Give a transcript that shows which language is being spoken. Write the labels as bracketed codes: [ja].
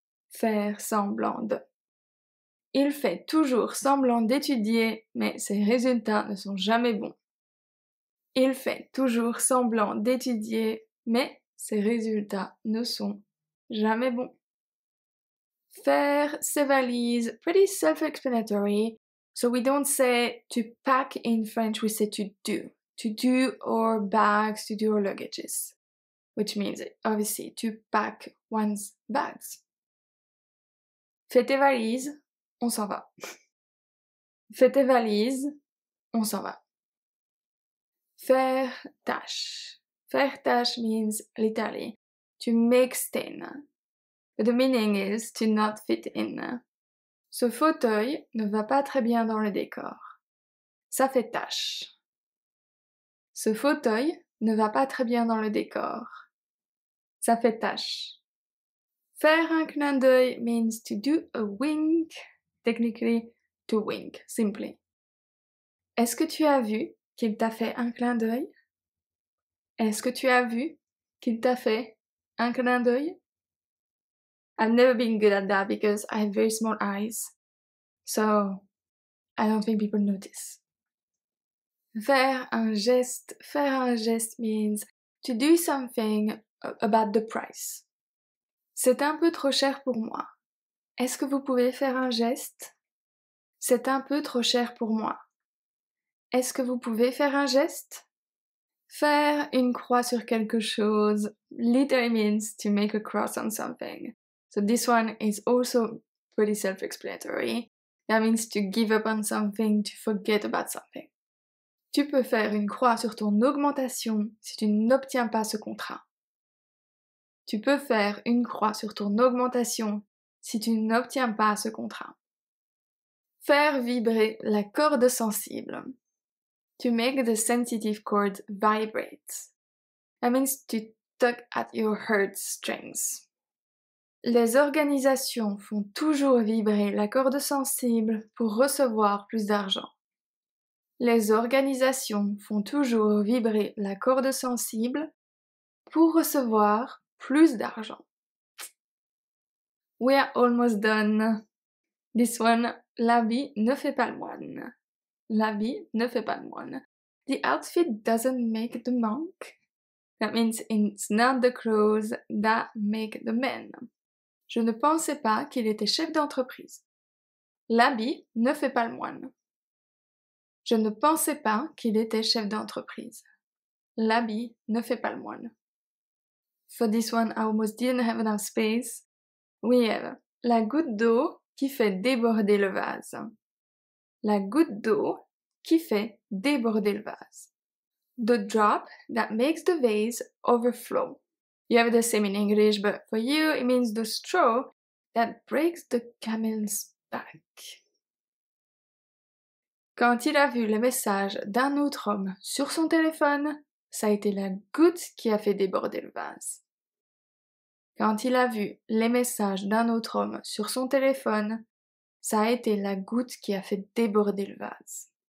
[fr] Faire semblant de. Il fait toujours semblant d'étudier, mais ses résultats ne sont jamais bons. Il fait toujours semblant d'étudier, mais ses résultats ne sont jamais bons. Faire ses valises, [en] pretty self-explanatory. So we don't say to pack in French, we say to do our bags, to do our luggages, which means obviously to pack one's bags. [fr] Fais tes valises, on s'en va. Fais tes valises, on s'en va. Faire tâche. Faire tâche [en] means literally to make stain. But the meaning is to not fit in. [fr] Ce fauteuil ne va pas très bien dans le décor. Ça fait tâche. Ce fauteuil ne va pas très bien dans le décor. Ça fait tâche. Faire un clin d'œil [en] means to do a wink. Technically, to wink, simply. [fr] Est-ce que tu as vu qu'il t'a fait un clin d'œil? Est-ce que tu as vu qu'il t'a fait un clin d'œil? [en] I've never been good at that because I have very small eyes. So, I don't think people notice. [fr] Faire un geste [en] means to do something about the price. [fr] C'est un peu trop cher pour moi. Est-ce que vous pouvez faire un geste? C'est un peu trop cher pour moi. Est-ce que vous pouvez faire un geste? Faire une croix sur quelque chose [en] literally means to make a cross on something. So this one is also pretty self-explanatory. That means to give up on something, to forget about something. [fr] Tu peux faire une croix sur ton augmentation si tu n'obtiens pas ce contrat. Tu peux faire une croix sur ton augmentation si tu n'obtiens pas ce contrat. Faire vibrer la corde sensible. [en] To make the sensitive cord vibrate. That means to tug at your heart strings. [fr] Les organisations font toujours vibrer la corde sensible pour recevoir plus d'argent. Les organisations font toujours vibrer la corde sensible pour recevoir plus d'argent. [en] We are almost done. This one, [fr] l'habit ne fait pas le moine. L'habit ne fait pas le moine. [en] The outfit doesn't make the monk. That means it's not the clothes that make the man. [fr] Je ne pensais pas qu'il était chef d'entreprise. L'habit ne fait pas le moine. Je ne pensais pas qu'il était chef d'entreprise. L'habit ne fait pas le moine. [en] For this one, I almost didn't have enough space. We have [fr] la goutte d'eau qui fait déborder le vase. La goutte d'eau qui fait déborder le vase. [en] The drop that makes the vase overflow. You have the same in English, but for you, it means the straw that breaks the camel's back. [fr] Quand il a vu le message d'un autre homme sur son téléphone, ça a été la goutte qui a fait déborder le vase. Quand il a vu les messages d'un autre homme sur son téléphone, ça a été la goutte qui a fait déborder le vase.